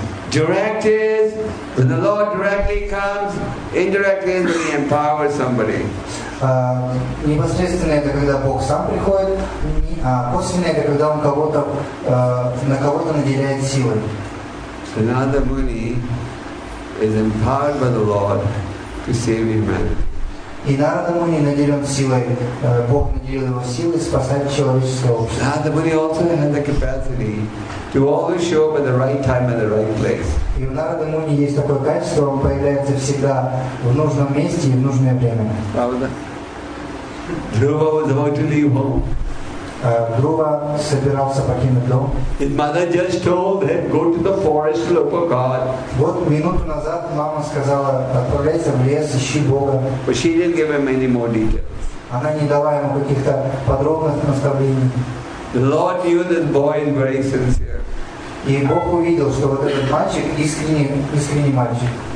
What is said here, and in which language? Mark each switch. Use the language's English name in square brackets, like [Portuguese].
[English] Direct is when the Lord directly comes, indirectly is when he empowers somebody. [Russian] Непосредственно это когда Бог сам приходит, а косвенно это когда он кого-то на кого-то наделяет силой. [English] Narada Muni is empowered by the Lord to save humanity. [Russian] И Narada Muni наделен силой, Бог наделил его силой спасать человеческое общество. [English] Narada Muni also has the capacity to always show up at the right time and the right place. [Russian] И у Narada Muni есть такое качество, он появляется всегда в нужном месте и в нужное время. Правда? [English] Dhruva was about to leave home. [Russian] Dhruva собирался покинуть дом. [English] His mother just told him, go to the forest, look for God. [Russian] Вот минуту назад мама сказала, отправляйся в лес, ищи Бога. [English] But she didn't give him any more details. [Russian] Она не дала ему каких-то подробных наставлений. [English] The Lord knew this boy is very sincere. [Russian] И Бог увидел, что вот этот мальчик искренний мальчик.